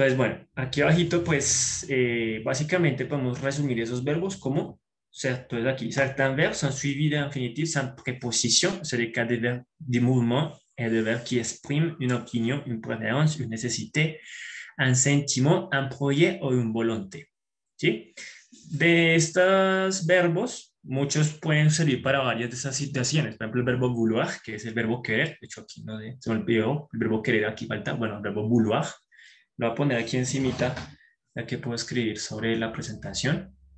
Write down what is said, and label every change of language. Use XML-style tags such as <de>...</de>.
<es>Entonces, bueno, aquí abajito, pues básicamente podemos resumir esos verbos como, ¿cierto? Es aquí,</es> <fr>certains verbes sont suivis d'un infinitif sans préposition, c'est le cas des verbes de mouvement et des verbes qui expriment une opinion, une préférence, une nécessité, un sentiment, un projet ou une volonté.</fr> <es>¿Sí? De estos verbos, muchos pueden servir para varias de esas situaciones. Por ejemplo, el verbo vouloir, que es el verbo querer. De hecho, aquí no sé, se me olvidó, el verbo querer aquí falta. Bueno, el verbo vouloir. Lo voy a poner aquí encimita, ya que puedo escribir sobre la presentación.</es>